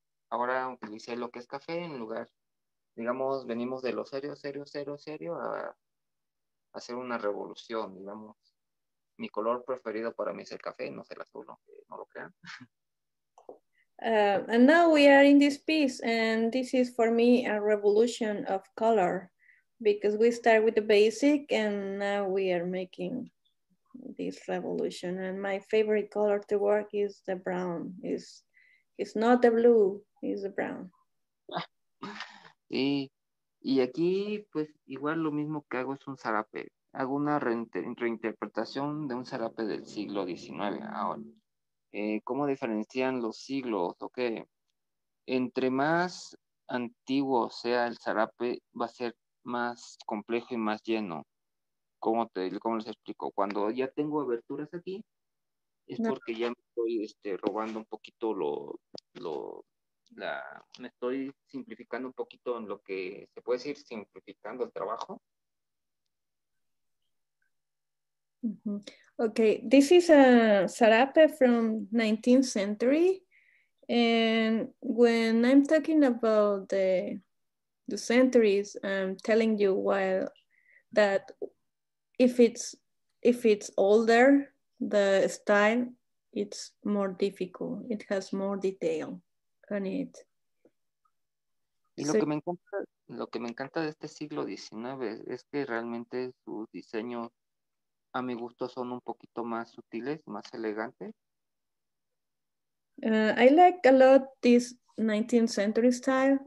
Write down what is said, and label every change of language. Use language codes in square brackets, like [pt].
[es] Ahora utilicé lo que es café en lugar. Digamos, venimos de lo serio a hacer una revolución, digamos. Mi color preferido para mí es el café, no es el azul, no lo crean. [en] And now we are in this piece, and this is for me a revolution of color, because we start with the basic and now we are making this revolution. And my favorite color to work is the brown. It's not the blue, it's the brown. [es] Y aquí, pues, igual lo mismo que hago es un zarape. Hago una reinterpretación de un zarape del siglo XIX. Ahora, ¿cómo diferencian los siglos? ¿O qué? Entre más antiguo sea el zarape, va a ser más complejo y más lleno. ¿Cómo les explico? Cuando ya tengo aberturas aquí, es porque ya me estoy robando un poquito me estoy simplificando un poquito en lo que se puede decir, simplificando el trabajo. Mm-hmm. [en] Okay, this is a sarape from 19th century. And when I'm talking about the centuries, I'm telling you that if it's older, the style, it's more difficult. It has more detail. [es] Y lo que me encanta de este siglo XIX es que realmente sus diseños a mi gusto son un poquito más sutiles, más elegantes. [en] I like a lot this 19th century style.